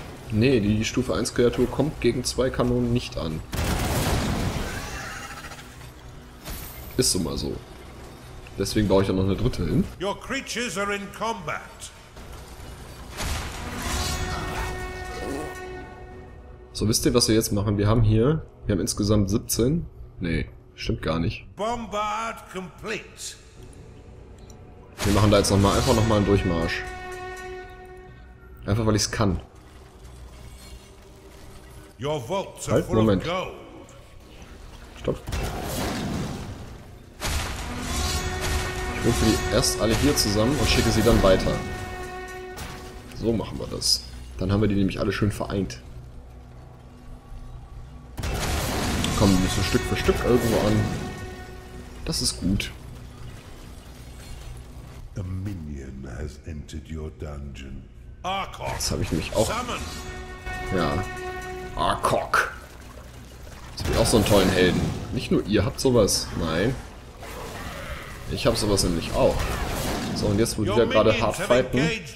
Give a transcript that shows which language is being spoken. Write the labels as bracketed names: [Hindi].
[German] Nee, die Stufe 1 Kreatur kommt gegen zwei Kanonen nicht an. Ist so mal so. Deswegen baue ich auch noch eine dritte hin. [English] Your creatures are in combat. [German] So, wisst ihr, was wir jetzt machen? Wir haben insgesamt 17. Nee, stimmt gar nicht. [English] Bombard complete. [German] Wir machen da jetzt einfach nochmal einen Durchmarsch. Einfach weil ich es kann. Halt, Moment. Stopp. Ich rufe die erst alle hier zusammen und schicke sie dann weiter. So machen wir das. Dann haben wir die nämlich alle schön vereint. Kommen wir so Stück für Stück irgendwo an. Das ist gut. [English] A minion has entered your dungeon. [German] Arcog. Das habe ich nämlich auch. Ja. Arcog. Das habe ich auch so einen tollen Helden. Nicht nur ihr habt sowas. Nein. Ich habe sowas nämlich auch. So, und jetzt, wo wir gerade hart fighten.